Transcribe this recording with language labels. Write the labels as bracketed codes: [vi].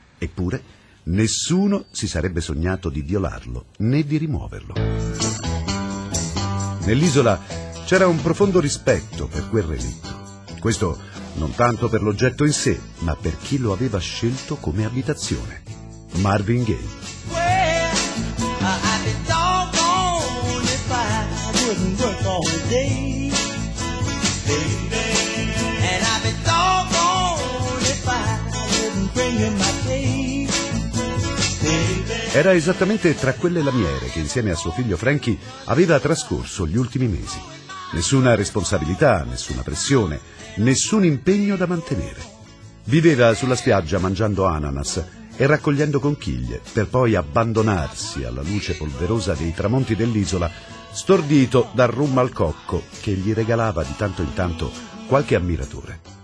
[it] Eppure, nessuno si sarebbe sognato di violarlo né di rimuoverlo. Nell'isola c'era un profondo rispetto per quel relitto. Questo non tanto per l'oggetto in sé, ma per chi lo aveva scelto come abitazione. Marvin Gaye. [en] Well, I'd be doggone if I wouldn't work all day. Baby. And I'd be doggone if I wouldn't bring him my pay. [it] Era esattamente tra quelle lamiere che insieme a suo figlio Frankie aveva trascorso gli ultimi mesi. Nessuna responsabilità, nessuna pressione, nessun impegno da mantenere. Viveva sulla spiaggia mangiando ananas e raccogliendo conchiglie per poi abbandonarsi alla luce polverosa dei tramonti dell'isola, stordito dal rum al cocco che gli regalava di tanto in tanto qualche ammiratore.